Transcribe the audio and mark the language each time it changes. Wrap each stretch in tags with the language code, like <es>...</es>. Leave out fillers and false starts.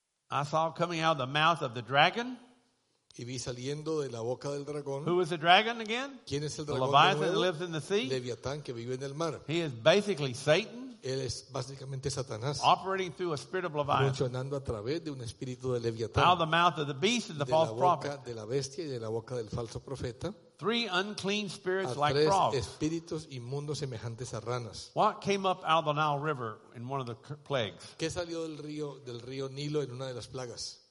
<en>I saw coming out of the mouth of the dragon.</en> <es>Y vi saliendo de la boca del dragón.</es> <en>Who is the dragon again?</en> <es>¿Quién es el</es> <en>the</en> <es>dragón</es> <en>Leviathan</en> <es>nuevo?</es> <en>Lives in the sea.</en> <es>Leviatán, que vive en el mar.</es> <en>He is basically Satan.</en> <es>Él es básicamente Satanás.</es> <en>Operating through a spirit of Leviathan.</en> <es>Funcionando a través de un espíritu de Leviatán.</es> <en>Out of the mouth of the beast and the false prophet.</en> <es>De la bestia y de la boca del falso profeta.</es> <en>Three unclean spirits like frogs.</en> <es>A tres espíritus inmundos semejantes a ranas.</es> <en>What came up out of the Nile River in one of the plagues?</en> <es>¿Qué salió del río Nilo en una de las plagas?</es>